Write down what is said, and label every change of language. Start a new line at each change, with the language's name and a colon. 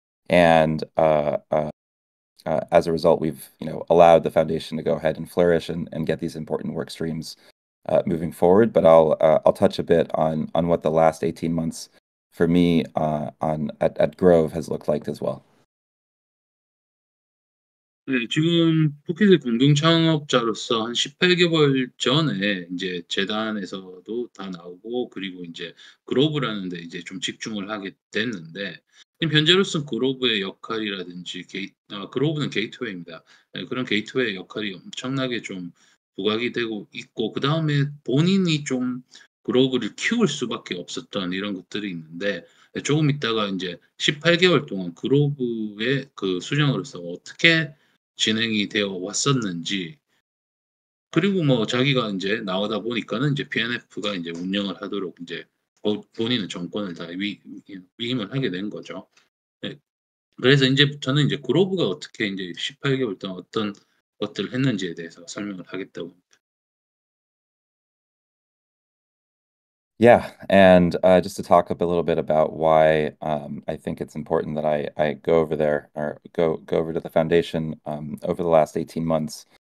English: And as a result, we've allowed the foundation to go ahead and flourish and get these important work streams moving forward. But I'll touch a bit on what the last 18 months for me at Grove has looked like as well.
Korean: 네, 지금 포켓의 공동 창업자로서 한 18개월 전에 이제 재단에서도 다 나오고 그리고 이제 그로브라는 데 이제 좀 집중을 하게 됐는데 지금 현재로서는 그로브의 역할이라든지 그로브는 게이트웨이입니다. 네, 그런 게이트웨이 역할이 엄청나게 좀 부각이 되고 있고 그 다음에 본인이 좀 그로브를 키울 수밖에 없었던 이런 것들이 있는데 네, 조금 있다가 이제 18개월 동안 그로브의 그 수장으로서 어떻게 진행이 되어 왔었는지, 그리고 뭐 자기가 이제 나오다 보니까는 이제 PNF가 이제 운영을 하도록 이제 본인은 정권을 다 위임을 하게 된 거죠. 네. 그래서 이제 저는 이제 그로브가 어떻게 이제 18개월 동안 어떤 것들을 했는지에 대해서 설명을 하겠다고 합니다.
English: Yeah, and just to talk up a little bit about why I think it's important that I go over there or go over to the foundation over the last 18 months.